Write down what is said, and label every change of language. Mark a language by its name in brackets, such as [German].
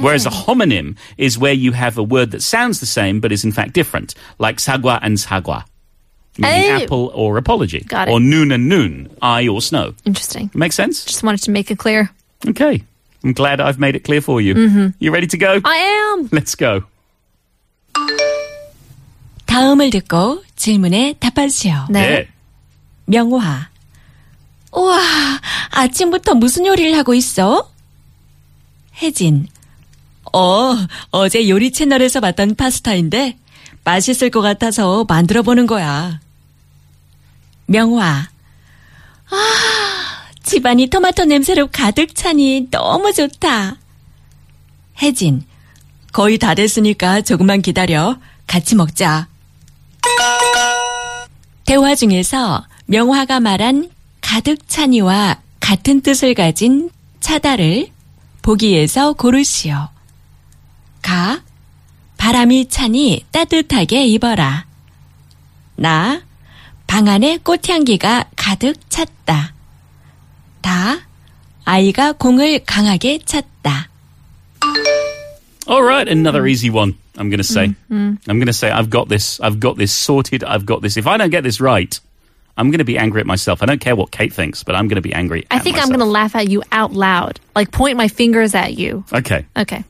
[English] Whereas a homonym is where you have a word that sounds the same but is in fact different, like sagwa and sagwa. Meaning apple or apology. Got it. Or noon and noon, I or snow. Interesting. Makes sense? Just wanted to make it clear. Okay. I'm glad I've made it clear for you. Mm-hmm. You ready to go? I am. Let's go. [Korean] 다음을 듣고 질문에 답하세요. 네. 네. 명화. 우와, 아침부터 무슨 요리를 하고 있어? 혜진. 어제 요리 채널에서 봤던 파스타인데 맛있을 것 같아서 만들어보는 거야. 명화. 아, 집안이 토마토 냄새로 가득 차니 너무 좋다. 혜진. 거의 다 됐으니까 조금만 기다려. 같이 먹자. 대화 중에서 명화가 말한 가득 찬이와 같은 뜻을 가진 차다를 보기에서 고르시오. 가, 바람이 차니 따뜻하게 입어라. 나, 방 안에 꽃향기가 가득 찼다. 다, 아이가 공을 강하게 찼다. [English] All right, another easy one, I'm going to say. Mm-hmm. I'm going to say, I've got this sorted, I've got this. If I don't get this right, I'm going to be angry at myself. I don't care what Kate thinks, but I'm going to be angry at myself. I think I'm going to laugh at you out loud, like point my fingers at you. Okay. Okay.